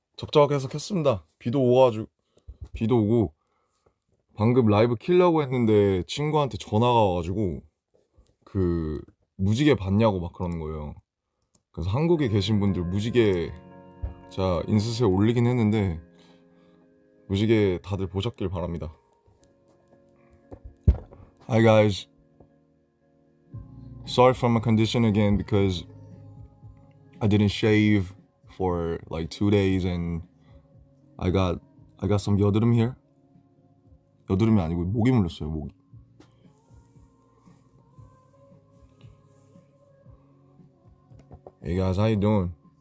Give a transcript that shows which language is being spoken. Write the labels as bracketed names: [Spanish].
[Korean] 적적하게 해석했습니다. 비도 오고, 방금 라이브 킬려고 했는데, 친구한테 전화가 와가지고, 무지개 봤냐고 막 그러는 거예요. 그래서 한국에 계신 분들 무지개, 자, 인스타에 올리긴 했는데, 무지개 다들 보셨길 바랍니다. [English] Hi guys. Sorry for my condition again because I didn't shave for like 2 days and I got some 여드름 here. [Korean] 여드름이 아니고 모기 물렸어요, 모기. [English] 에이 가이즈 하우 유 도잉?